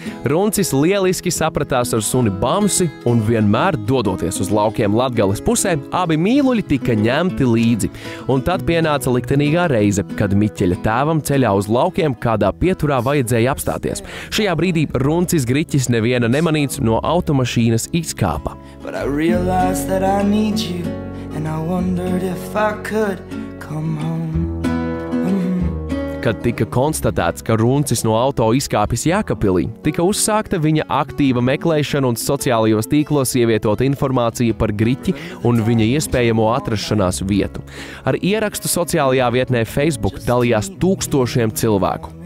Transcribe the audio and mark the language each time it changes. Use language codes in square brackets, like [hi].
[lv] Runcis lieliski sapratās ar suni Bamsi un vienmēr dodoties uz laukiem Latgales pusē, abi mīluļi tika ņemti līdzi. Un tad pienāca liktenīgā reize, kad Miķeļa tēvam ceļā uz laukiem kādā pieturā vajadzēja apstāties. Šajā brīdī Runcis Griķis neviena nemanīts no automašīnas izkāpa. [en] But I realized that I need you and I wondered if I could come home. [lv] Kad tika konstatēts, ka Runcis no auto izkāpis Jēkabpilī, tika uzsākta viņa aktīva meklēšana un sociālajos tīklos ievietot informāciju par Griķi un viņa iespējamo atrašanās vietu. Ar ierakstu sociālajā vietnē Facebook dalījās tūkstošiem cilvēku.